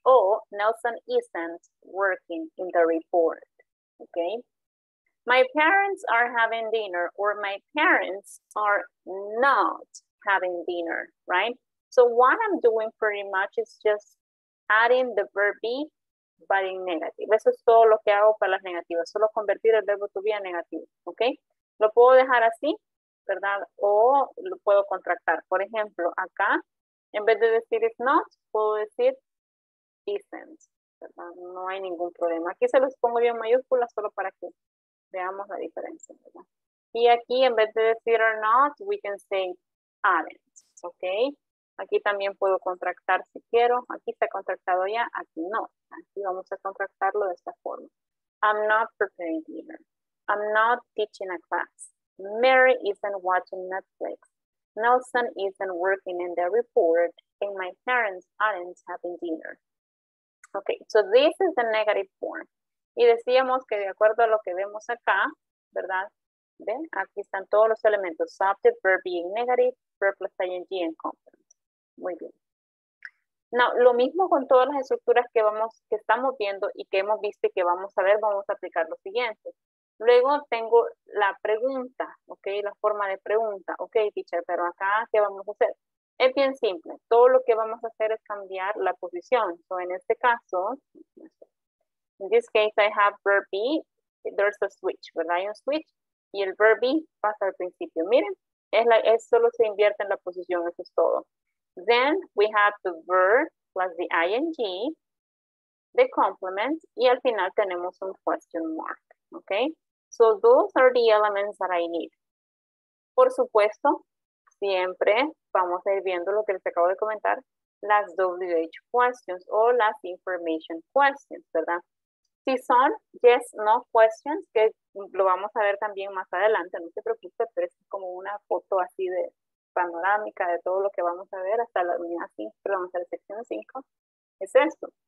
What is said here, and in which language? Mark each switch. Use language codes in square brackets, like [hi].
[en] Or Nelson isn't working in the report, okay? My parents are having dinner, or my parents are not having dinner, right? So what I'm doing pretty much is just adding the verb be, but in negative. [es] Eso es todo lo que hago para las negativas. Solo convertir el verbo to be a negativo, okay? Lo puedo dejar así, ¿verdad? O lo puedo contractar. Por ejemplo, acá, en vez de decir is not, puedo decir isn't, ¿verdad? No hay ningún problema. Aquí se los pongo yo en mayúsculas solo para que veamos la diferencia, ¿verdad? Y aquí, en vez de decir are not, [en] we can say aren't, [es] ¿ok? Aquí también puedo contractar si quiero. Aquí está contractado ya, aquí no. Aquí vamos a contractarlo de esta forma. [en] I'm not preparing dinner. I'm not teaching a class. Mary isn't watching Netflix. Nelson isn't working in their report. And my parents aren't having dinner. Ok, so this is the negative form. [es] Y decíamos que de acuerdo a lo que vemos acá, ¿verdad? ¿Ven? Aquí están todos los elementos. [en] Subject, verb being negative, verb plus ing and complement. [es] Muy bien. Now, lo mismo con todas las estructuras que vamos, que estamos viendo y que hemos visto y que vamos a ver, vamos a aplicar lo siguiente. Luego tengo la pregunta, ¿ok? La forma de pregunta. Ok, teacher, pero acá, ¿qué vamos a hacer? Es bien simple. Todo lo que vamos a hacer es cambiar la posición. So, en este caso, [en] in this case, I have verb be, there's a switch, [es] ¿verdad? Hay un switch y el verb be pasa al principio. Miren, es solo se invierte en la posición, eso es todo. [en] Then we have the verb plus the ing, the complement, [es] y al final tenemos un [en] question mark, ¿ok? So those are the elements that I need. [es] Por supuesto, siempre vamos a ir viendo lo que les acabo de comentar, las WH questions o las information questions, ¿verdad? Si son yes, no questions, que lo vamos a ver también más adelante, no se preocupe, pero es como una foto así de panorámica de todo lo que vamos a ver hasta la unidad 5, perdón, hasta la sección 5, es esto.